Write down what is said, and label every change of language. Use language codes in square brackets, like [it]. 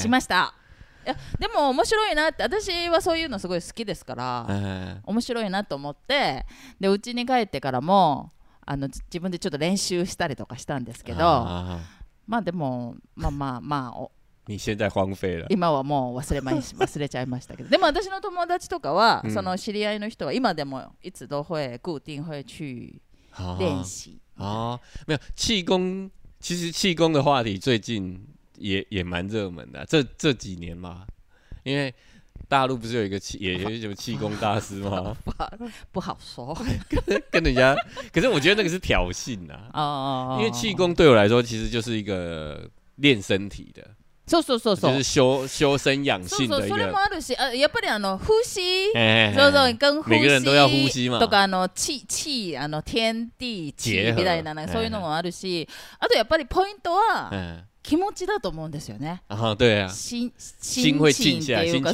[ja] しましたいやでも面白いなって私はそういうのすごい好きですから面白いなと思ってでうちに帰ってからもあの自分でちょっと練習したりとかしたんですけどまあでもまあまあまあお [zh] 你现在荒废了 [ja] 今はもう忘れちゃいましたけどでも私の友達とかはその知り合いの人は今でもいつどこへ [zh] 固定会去 [ja] 練習 [zh] 啊，没有气功，其实气功的话题最近也蛮热门的、啊，这几年嘛，因为大陆不是有一个有什么气功大师吗？不好说，跟人家，可是我觉得那个是挑衅呐、啊。哦，因为气功对我来说其实就是一个练身体的，就是修身养性的一个。 [ja] それもあるし、やっぱりあの呼吸，そうそう、 [zh] 跟呼吸，每个人都要呼吸嘛。 [ja] とかあの气あの天地气みたいななんかそういうのもあるし、あとやっぱりポイントは気持ちだと思うんですよね。 [zh] 啊，对啊。心会静下来，心情会好。